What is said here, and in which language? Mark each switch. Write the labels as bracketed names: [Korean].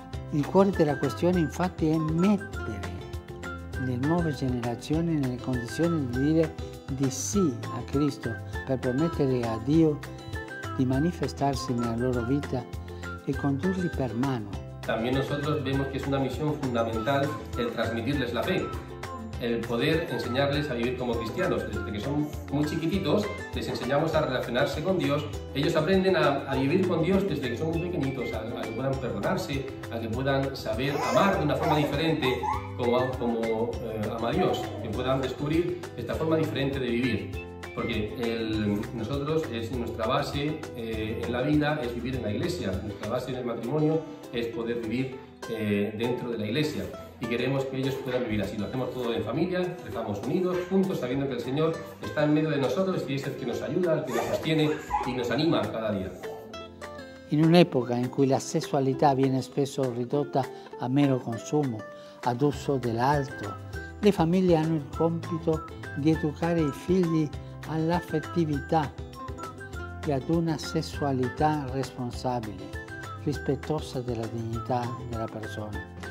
[Italian] Il cuore della questione infatti è mettere le nuove generazioni nelle condizioni di dire di sì a Cristo per permettere a Dio di manifestarsi nella loro vita e condurli per mano. [Spanish] También nosotros vemos que es una misión fundamental el transmitirles la fe. el poder enseñarles a vivir como cristianos. Desde que son muy chiquititos, les enseñamos a relacionarse con Dios. Ellos aprenden a vivir con Dios desde que son muy pequeñitos, a que puedan perdonarse, a que puedan saber amar de una forma diferente como ama Dios, que puedan descubrir esta forma diferente de vivir. Porque nosotros, es nuestra base en la vida, es vivir en la iglesia. Nuestra base en el matrimonio es poder vivir dentro de la iglesia. Y queremos que ellos puedan vivir así. Lo hacemos todo en familia, estamos unidos, juntos, sabiendo que el Señor está en medio de nosotros y es el que nos ayuda, el que nos sostiene y nos anima cada día. En una época en que la sexualidad [Italian] viene spesso ridotta a mero consumo, ad uso dell'altro, le famiglie hanno il compito di educare i figli all'affettività e ad una sessualità responsabile, rispettosa della dignità della persona.